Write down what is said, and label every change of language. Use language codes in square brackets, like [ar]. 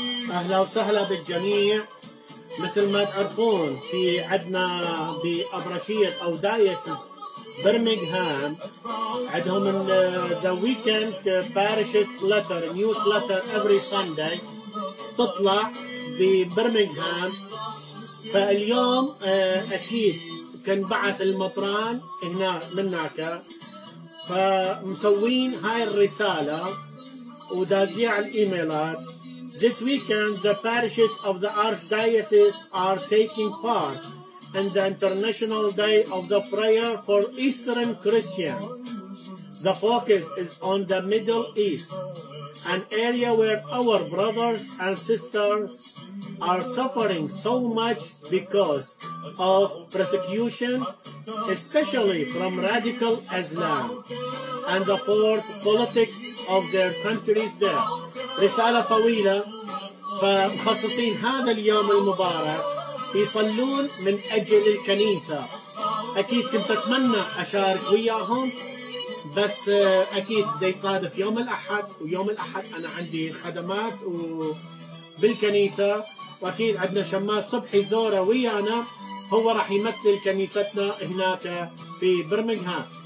[ar] اهلا وسهلا بالجميع. مثل ما تعرفون في عندنا بابرشيه او دايسس برمنغهام، عندهم [en] The Weekend Parish Letter Newsletter Every Sunday [ar] تطلع ببرمنغهام. فاليوم أكيد كان بعث المطران هنا منك، فمسوين هاي الرسالة ودازيع الإيميلات. [en] This weekend the parishes of the Archdiocese are taking part and the International Day of the Prayer for Eastern Christians. The focus is on the Middle East, an area where our brothers and sisters are suffering so much because of persecution, especially from radical Islam and the fourth politics of their countries there. [ar] رسالة طويلة، فمخصصين هذا اليوم المبارك يصلون من أجل الكنيسة. أكيد كنت أتمنى أشارك وياهم، بس أكيد بيصادف يوم الأحد، ويوم الأحد أنا عندي خدمات بالكنيسة، وأكيد عندنا شماس صبحي زورة ويانا، هو راح يمثل كنيستنا هناك في برمنغهام.